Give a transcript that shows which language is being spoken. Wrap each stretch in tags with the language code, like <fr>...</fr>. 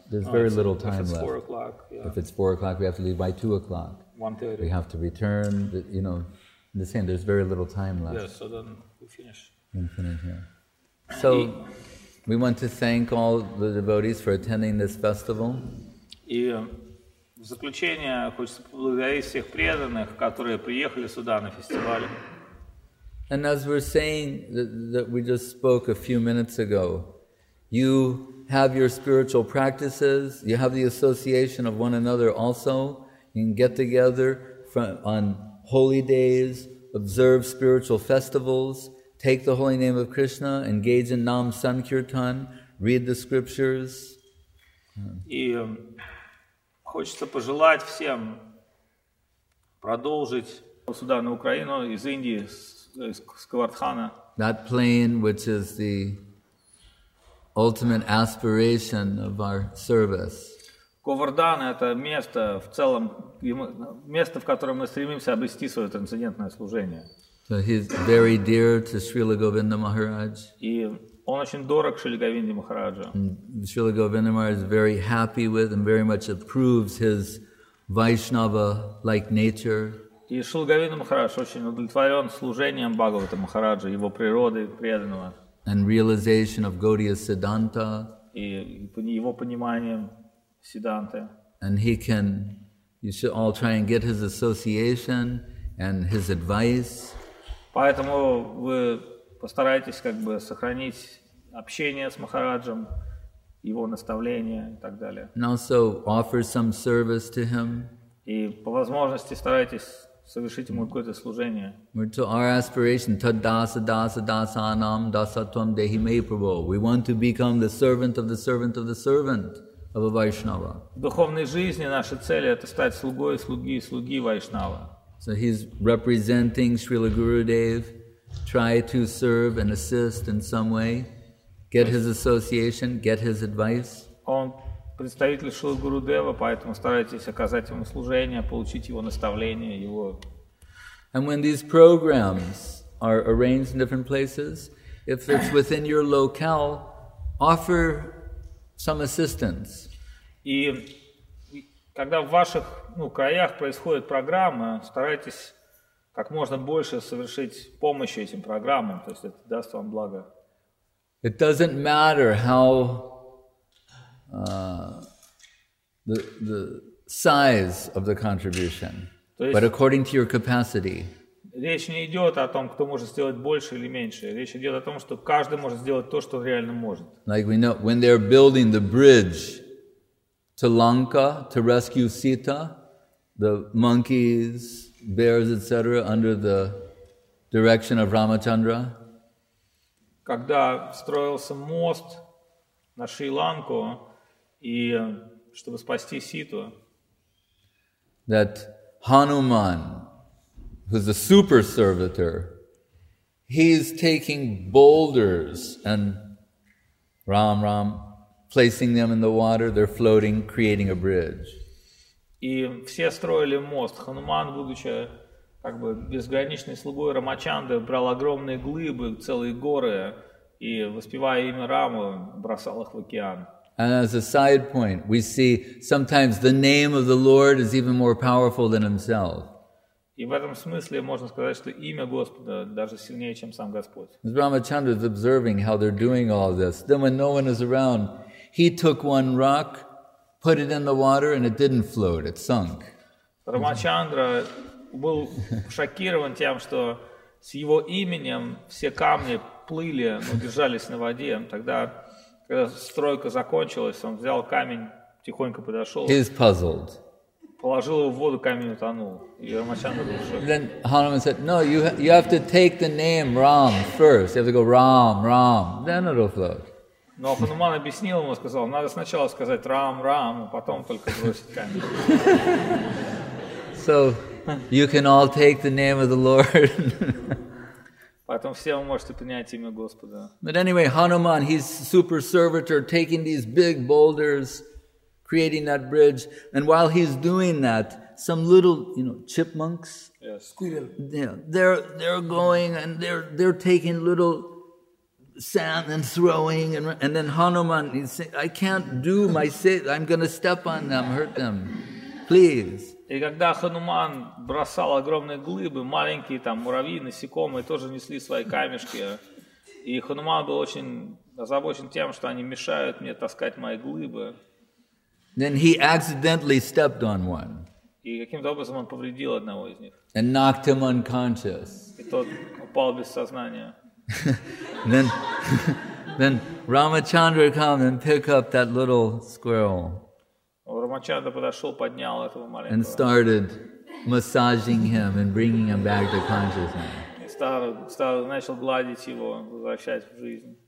<en>There's very little time left. If it's 4 o'clock, yeah. If it's 4 o'clock, we have to leave by 2 o'clock. 1:30. We have to return, you know, in the same, there's very little time left. Yes, so then we finish. We finish here. So, we want to thank all the devotees for attending this festival.</en> <ru>И в заключение хочется поблагодарить всех преданных, которые приехали сюда на фестиваль.</ru> <en>And as we're saying that we just spoke a few minutes ago, you have your spiritual practices, you have the association of one another also, you can get together on holy days, observe spiritual festivals, take the holy name of Krishna, engage in Nam Sankirtan, read the scriptures.</en> <ru>И хочется пожелать всем продолжить сюда на Украину из Индии, из Кавардхана.</ru> <en>That plane which is the ultimate aspiration of our service.</en> <ru>Ковардхан – это место в целом, место, в котором мы стремимся обрести свое трансцендентное служение.</ru> <en>So he's very dear to Srila Govinda Maharaj.</en> <ru>И он очень дорог Шриле Говинде Махараджу.</ru> <en>Srila Govinda Maharaj is very happy with and very much approves his Vaishnava-like nature.</en> <ru>И Шрила Говинда Махарадж очень удовлетворен служением Бхагавата Махараджа, его природы преданного.</ru> <en>And realization of Gaudiya Siddhanta.</en> <ru>И его пониманием Siddhanta.</ru> <en>And he can, you should all try and get his association and his advice.</en> <ru>Поэтому вы постарайтесь как бы сохранить общение с Махараджем, его наставления и так далее.</ru> <en>And also offer some service to him.</en> <ru>И по возможности старайтесь совершить ему какое-то служение.</ru> <en>Our aspiration,</en> <sa>tadasa dasa dasa nam dasatvam dehi me prabho.</sa> <en>We want to become the servant of the servant of the servant of a Vaishnava.</en> <ru>В духовной жизни наша цель это стать слугой слуги слуги Вайшнава.</ru> <en>So he's representing Srila Gurudev. Try to serve and assist in some way. Get his association, get his advice.</en> <ru>Он представитель Шрилы Гурудева, поэтому старайтесь оказать ему служение, получить его наставление, его...</ru> <en>And when these programs are arranged in different places, if it's within your locale, offer some assistance.</en> <ru>И когда в ваших, ну, краях происходит программа, старайтесь как можно больше совершить помощи этим программам, то есть это даст вам благо.</ru> <en>It doesn't matter how the size of the contribution, but according to your capacity.</en> <ru>Речь не идет о том, кто может сделать больше или меньше. Речь идет о том, что каждый может сделать то, что реально может.</ru> <en>Like we know, when they're building the bridge to Lanka to rescue Sita, the monkeys, bears, etc., under the direction of Ramachandra.</en> <ru>Когда строился мост на Шри-Ланку, и чтобы спасти Ситу.</ru> <en>That Hanuman, who's a super servitor, he's taking boulders and Ram Ram, placing them in the water, they're floating, creating a bridge.</en> <ru>И все строили мост. Хануман, будучи как бы безграничной слугой Рамачанды, брал огромные глыбы, целые горы, и воспевая имя Рама, бросал их в океан.</ru> <en>And as a side point, we see sometimes the name of the Lord is even more powerful than himself.</en> <ru>И в этом смысле можно сказать, что имя Господа даже сильнее, чем сам Господь.</ru> <en>Brahmachandra is observing how they're doing all this. Then when no one is around, he took one rock, put it in the water, and it didn't float, it sunk.</en> <ru>Рамачандра был шокирован тем, что с его именем все камни плыли, но держались на воде. Тогда, когда стройка закончилась, он взял камень, тихонько подошел.</ru> <en>He's puzzled.</en> <ru>Положил его в воду, камень утонул. И Рамачандра был шокирован.</ru> <en>Then Hanuman said, no, you have to take the name Ram first. You have to go Ram, Ram. Then it'll float.</en> <ru>Но Хануман объяснил ему, сказал, надо сначала сказать Рам, Рам, а потом только бросить камень.</ru> <en>So, you can all take the name of the Lord.</en> <ru>Потом все вы можете принять имя Господа.</ru> <en>But anyway, Hanuman, he's super servitor, taking these big boulders, creating that bridge. And while he's doing that, some little, you know, chipmunks, yes, squirrel. Yeah, they're going and they're taking little sand and throwing, and then Hanuman, he's saying, I can't do my sit. I'm going to step on them, hurt them. Please.</en> <ru>И когда Хануман бросал огромные глыбы, маленькие там муравьи, насекомые тоже несли свои камешки. И Хануман был очень озабочен тем, что они мешают мне таскать мои глыбы.</ru> <en>Then he accidentally stepped on one.</en> <ru>И каким-то образом он повредил одного из них.</ru> <en>And knocked him unconscious.</en> <ru>И тот упал без сознания.</ru> <en>Then Ramachandra come and pick up that little squirrel.</en> <ru>Рамачандра подошел, поднял этого маленького.</ru> <en>And started massaging him and bringing him back to consciousness.</en> <ru>Начал гладить его, возвращать в жизнь.</ru>